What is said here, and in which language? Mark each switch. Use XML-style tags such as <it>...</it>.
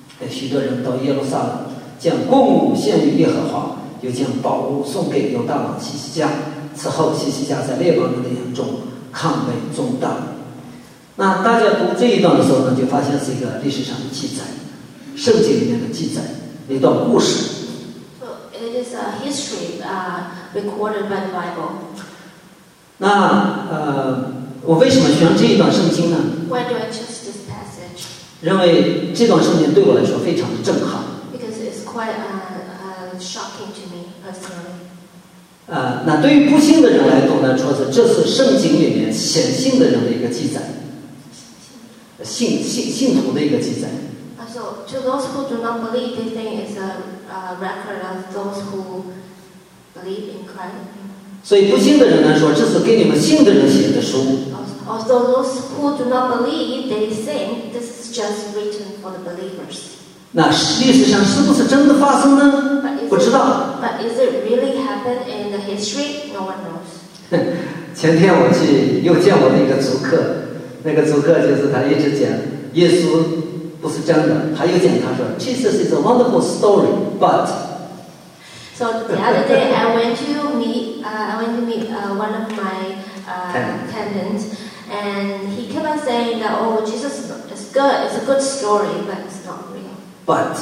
<zh>许多人到耶路撒冷将贡物献于耶和华，又将宝物送给犹大王希西家。此后希西家在列邦人的眼中看为重大。那大家读这一段的时候呢，就发现是一个历史上的记载，圣经里面的记载，一段故事。</zh> <en>So, it is a history recorded by the Bible.</en> <zh>那我为什么选这一段圣经呢？</zh> <en>Why do I choose this passage?</en> <zh>认为这段圣经对我来说非常的震撼。</zh> <en>Because it's quite shocking to me personally.</en> <zh>那对于不信的人来读呢，说是这是圣经里面显性的人的一个记载。信徒的一个记载。</zh> <en>So, to those who do not believe, they think it's a record of those who believe in Christ.</en> <zh>所以不信的人呢说，这是给你们信的人写的书。</zh> <en>Also, those who do not believe, they think this is just written for the believers.</en> <zh>那历史上是不是真的发生呢？不知道。</zh> <en>But is it really happened in the history? No one knows.</en> <zh>前天我去又见我的一个租客。那个租客就是他一直讲耶稣不是真的，他又讲他说</zh> <en>Jesus is a wonderful story, but. So the other day I went to meet one of my tenants, and he kept on saying that oh Jesus is good, it's a good story, but it's not real.</en>